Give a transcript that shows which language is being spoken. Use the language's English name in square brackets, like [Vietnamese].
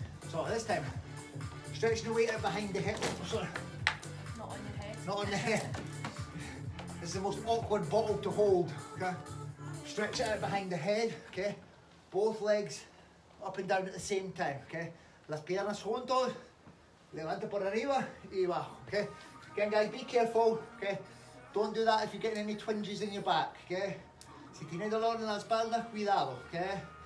[English] So this time, stretching the weight out behind the head. Oh, sorry. Not on the head. Not on the is the most awkward bottle to hold. Okay? Stretch it out behind the head, okay? Both legs up and down at the same time, okay? [Spanish] Las piernas juntos, levanta por arriba y bajo, okay? [English] Again, guys, be careful, okay? Don't do that if you're getting any twinges in your back, okay? [Spanish] Si tiene dolor en la espalda, cuidado, okay?